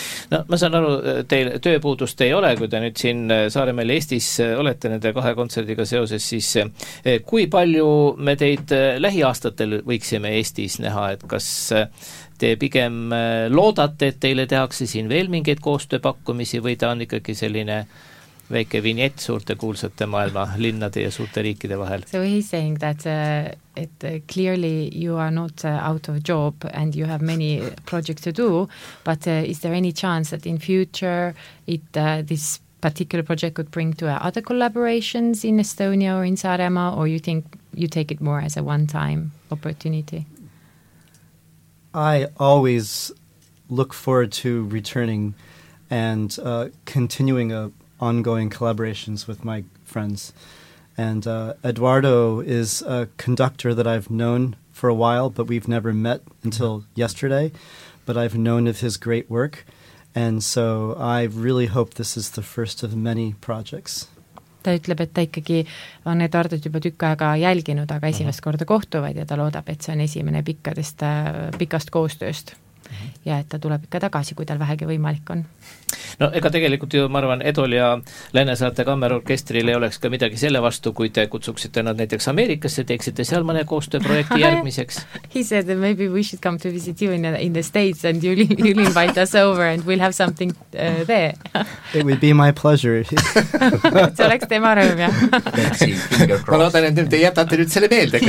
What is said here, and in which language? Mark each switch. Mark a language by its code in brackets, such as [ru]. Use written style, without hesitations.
[et] No, ma saan aru, teil tööpuudust ei ole, kui te nüüd siin Saaremaal Eestis olete nende kahe kontserdiga seoses, siis kui palju me teid lähiaastatel võiksime Eestis näha, et kas te pigem loodate, et teile tehakse siin veel mingid koostööpakkumisi või ta on ikkagi selline väike vinjet suurte kuulsate maailma linnade ja suurte riikide vahel? [en] So he's saying that clearly you are not out of job and you have many projects to do, but is there any chance that in future this particular project could bring to other collaborations in Estonia or in Saaremaa, or you think you take it more as a one-time opportunity? I always look forward to returning and continuing ongoing collaborations with my friends. And Eduardo is a conductor that I've known for a while, but we've never met until yesterday. But I've known of his great work. And so I really hope this is the first of many projects. [et] Ta ütleb, et ta ikkagi on Eduardot juba tükka aega jälginud, aga esimest korda kohtuvad ja ta loodab, et see on esimene pikast koostööst. Ja et ta tuleb ikka tagasi, kui tal vähegi võimalik on. No ega tegelikult ju ma arvan, Edol ja Lennesaate kammerorkestril ei oleks ka midagi selle vastu, kui te kutsuksite nad näiteks Ameerikasse, teeksite seal mõne koostööprojekti järgmiseks. [en] He said that maybe we should come to visit you in the States and you'll invite us over and we'll have something there. It would be my pleasure. [et] See oleks tema rõõm, jah. Ma loodan, et te jätate nüüd selle meelde.